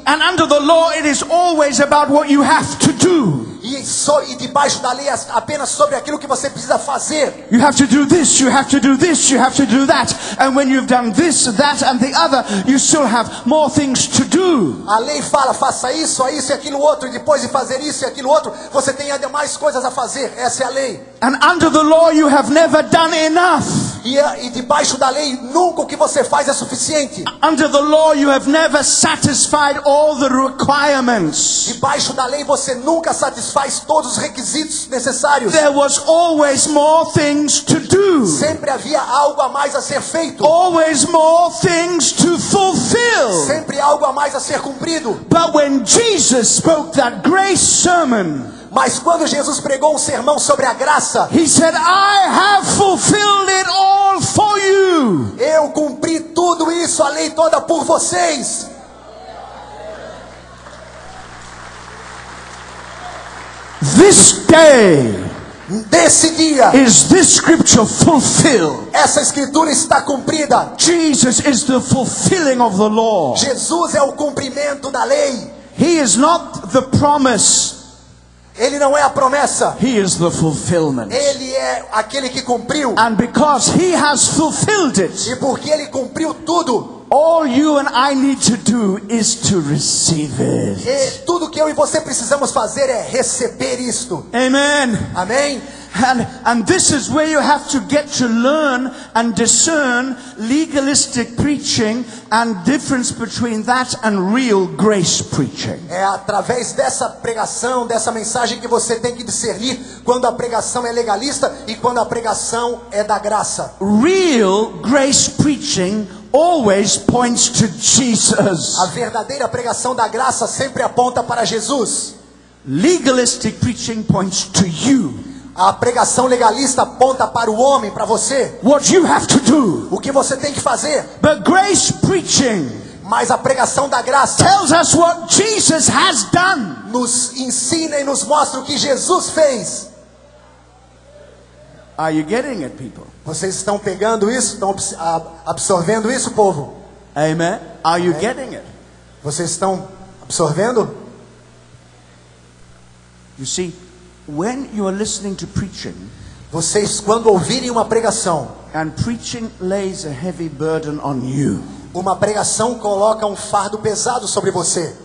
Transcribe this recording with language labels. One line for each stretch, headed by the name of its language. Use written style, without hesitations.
English: And under the law, it is always about what you have to do.
Portuguese: E debaixo da lei, apenas sobre aquilo que você precisa fazer.
English: You have to do this, you have to do this, you have to do that. And when you've done this, that, and the other, you still have more things to do.
Portuguese: A lei fala, faça isso, isso e aquilo outro. E depois de fazer isso e aquilo outro, você tem ainda mais coisas a fazer. Essa é a lei.
English: And under the law, you have never done enough.
Portuguese: E debaixo da lei, nunca o que você faz é suficiente.
English: Under the law, you have never satisfied all the requirements.
Portuguese: Debaixo da lei, você nunca satisfaz todos os requisitos necessários.
English: There was always more things to do.
Portuguese: Sempre havia algo a mais a ser feito.
English: Always more things to fulfill.
Portuguese: Sempre algo a mais a ser cumprido.
English: But when Jesus spoke that great sermon,
Portuguese: mas quando Jesus pregou um sermão sobre a graça,
English: he said, I have fulfilled it all for you.
Portuguese: Eu cumpri tudo isso, a lei toda por vocês.
English: This day,
Portuguese: desse dia,
English: is this scripture fulfilled?
Portuguese: Essa escritura está cumprida.
English: Jesus is the fulfilling of the law.
Portuguese: Jesus é o cumprimento da lei.
English: He is not the promise.
Portuguese: Ele não é a promessa.
English: He is the fulfillment.
Portuguese: Ele é aquele que cumpriu.
English: And because he has fulfilled it,
Portuguese: e porque ele cumpriu tudo,
English: all you and I need to do is to receive it.
Portuguese: E tudo que eu e você precisamos fazer é receber isto.
English: Amen.
Portuguese: Amém.
English: And this is where you have to get to learn and discern legalistic preaching and difference between that and real grace preaching.
Portuguese: É através dessa pregação, dessa mensagem que você tem que discernir quando a pregação é legalista e quando a pregação é da graça.
English: Real grace preaching always points to Jesus.
Portuguese: A verdadeira pregação da graça sempre aponta para Jesus.
English: Legalistic preaching points to you.
Portuguese: A pregação legalista aponta para o homem, para você.
English: What you have to do.
Portuguese: O que você tem que fazer.
English: But grace preaching.
Portuguese: Mas a pregação da graça.
English: Tells us what Jesus has done.
Portuguese: Nos ensina e nos mostra o que Jesus fez.
English: Are you getting it, people?
Portuguese: Vocês estão pegando isso? Estão absorvendo isso, povo?
English: Amen. Are you getting it?
Portuguese: Vocês estão absorvendo?
English: You see, when you are listening to preaching,
Portuguese: vocês quando ouvirem uma pregação,
English: and preaching lays a heavy burden on you,
Portuguese: uma pregação coloca um fardo pesado sobre você.